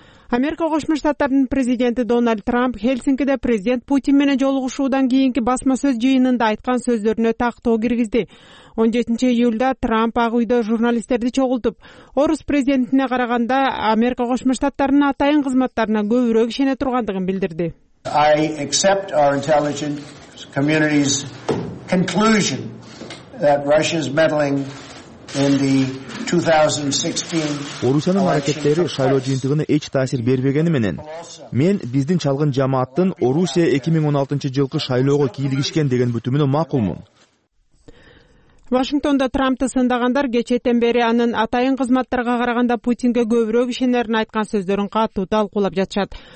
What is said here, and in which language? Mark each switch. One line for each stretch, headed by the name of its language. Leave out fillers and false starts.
Kyrgyz: Америка Кошмо Штаттарынын президенти Дональд Трамп Хельсинкиде президент Путин менен жолугушуудан кийинки басма сөз жыйынында айткан сөздөрүнө тактоо киргизди. 17-июлда Трамп Ак Үйдө журналисттерди чогултуп, орус президентине караганда Америка Кошмо Штаттарынын атайын кызматтарына көбүрөөк ишене тургандыгын билдирди.
English: I accept our intelligence community's conclusion that Russia's meddling in the 2016
Kyrgyz: Орусиянын аракеттери шайлоо жыйынтыгына эч таасир бербегени менен мен биздин чалгын жамааттын Орусия 2016 жылкы шайлоого кийлигишкен деген бүтүмүнө макулмун. Вашингтондо Трампты сындагандар кечээден бери анын атайын кызматтарга караганда Путинге көбүрөөк ишенерин айткан сөздөрүн катуу талкуулап жатышат.